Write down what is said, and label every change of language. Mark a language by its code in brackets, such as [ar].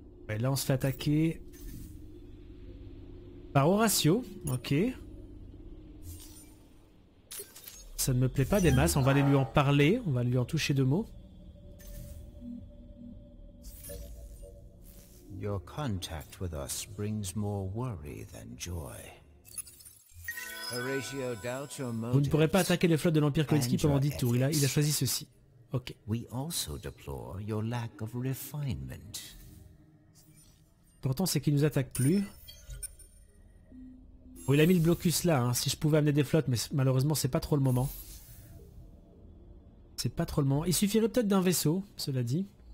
[fr] Et là, on se fait attaquer par Horatio. Ok. Ça ne me plaît pas des masses. On va aller lui en parler. On va lui en toucher deux mots. [en] Your contact with us brings more worry than joy. Horatio doubts your motives. [fr] Vous ne pourrez pas attaquer les flottes de l'Empire Kolinsky pendant 10 tours. Il a choisi ceci. Ok. [en] We also deplore your lack of refinement. [fr] Pourtant, c'est qu'il nous attaque plus. Bon, il a mis le blocus là, hein. Si je pouvais amener des flottes, mais malheureusement, c'est pas trop le moment. C'est pas trop le moment. Il suffirait peut-être d'un vaisseau, cela dit.